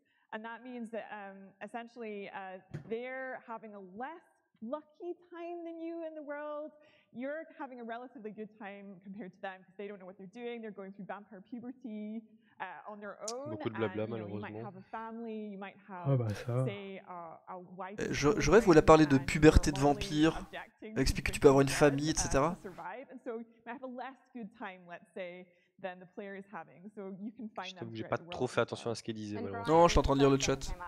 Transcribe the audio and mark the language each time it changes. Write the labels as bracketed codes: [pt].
[en] And that means that essentially they're having a less lucky time than you in the world. You're having a relatively good time compared to them because they don't know what they're doing. They're going through vampire puberty on their own. [fr] Beaucoup de blabla, [en] and, [fr] malheureusement. [en] You might have a family, you might have a wife. [fr] Je rêve où elle a parlé de puberté de vampire. Elle explique que tu peux avoir une famille, etc. [en] And so you might have a less good time, let's say. [fr] Je t'avoue que j'ai pas trop fait attention à ce qu'elle disait. Non, je suis en train de lire le chat.